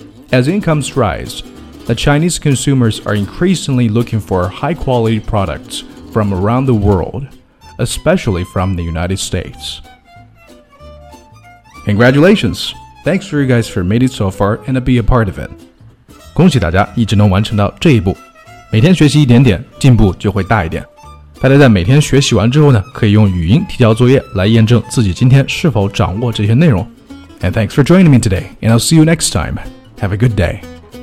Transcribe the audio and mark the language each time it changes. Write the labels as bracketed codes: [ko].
[en] As incomes rise,The Chinese consumers are increasingly looking for high-quality products from around the world, especially from the United States. Congratulations! Thanks for you guys for made it so far and to be a part of it. [zh] 恭喜大家一直能完成到这一步。每天学习一点点，进步就会大一点。大家在每天学习完之后呢，可以用语音提交作业来验证自己今天是否掌握这些内容。 [en] And thanks for joining me today, and I'll see you next time. Have a good day.